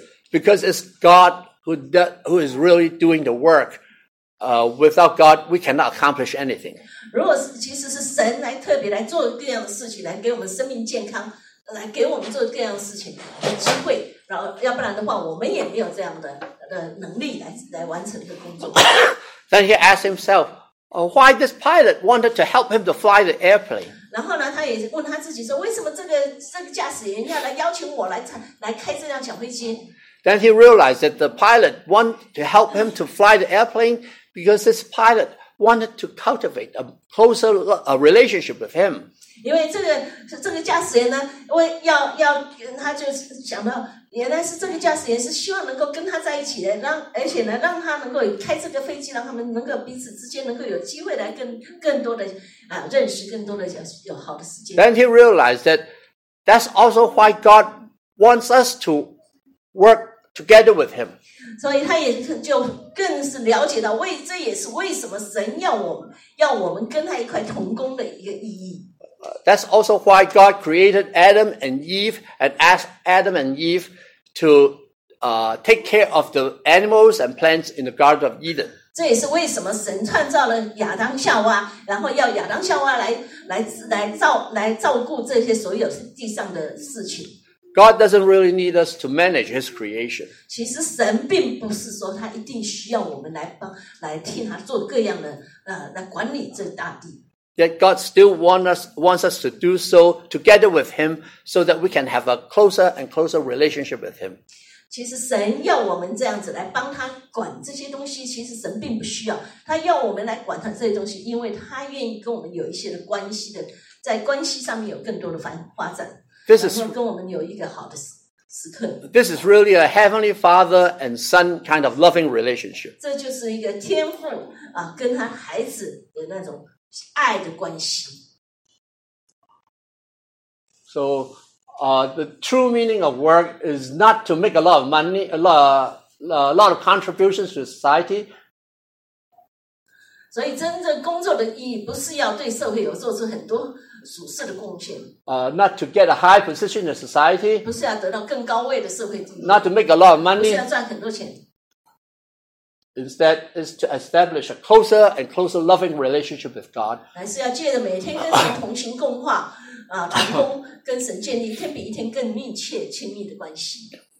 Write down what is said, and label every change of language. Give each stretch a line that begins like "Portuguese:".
English: Because it's God who is really doing the work. Without God, we cannot accomplish anything.
Chinese: 如果是其实是神来特别来做各样的事情，来给我们生命健康，来给我们做各样的事情的机会，然后要不然的话，我们也没有这样的能力来完成这个工作。
English: Then he asked himself, why this pilot wanted to help him to fly the airplane?
Chinese: 然后呢，他也问他自己说：“为什么这个驾驶员要来邀请我来开这辆小飞机
English: ？”Then he realized that the pilot wanted to help him to fly the airplane because this pilot wanted to cultivate a closer relationship with him.
Chinese: 因为这个驾驶员呢，因为要他就想到原来是这个驾驶员是希望能够跟他在一起的，而且呢，让他能够开这个飞机，让他们能够彼此之间能够有机会来更多的。
English: Then he realized that's also why God wants us to work together with him. So he also
Chinese: 就更是了解到为这也是为什么神要我们跟他一块同工的一个意义。
English: That's also why God created Adam and Eve and asked Adam and Eve to take care of the animals and plants in the Garden of Eden.
Chinese: 这也是为什么神创造了亚当夏娃，然后要亚当夏娃来照顾这些所有地上的事情。
English: God doesn't really need us to manage His creation.
Chinese: 其实神并不是说他一定需要我们来替他做各样的来管理这大地。
English: Yet God still wants us to do so together with Him, so that we can have a closer and closer relationship with Him.
Chinese: 其实神要我们这样子来帮他管这些东西，其实神并不需要。他要我们来管他这些东西，因为他愿意跟我们有一些的关系的，在关系上面有更多的发展，然后跟我们有一个好的时刻。
English: This is really a heavenly father and son kind of loving relationship.
Chinese: 这就是一个天父啊，跟他孩子的那种爱的关系。
English: So. The true meaning of work is not to make a lot of money, a lot of contributions to society.
Chinese: 所以真正工作的意义不是要对社会有做出很多属实的贡献。
English: Not to get a high position in society.
Chinese: 不是要得到更高位的社会地位。
English: Not to make a lot of money.
Chinese: 不是要赚很多钱。
English: Instead, is to establish a closer and closer loving relationship with God.
Chinese: 还是要借着每天跟神同行共话。跟神建立一天比一天更密切亲密的关系。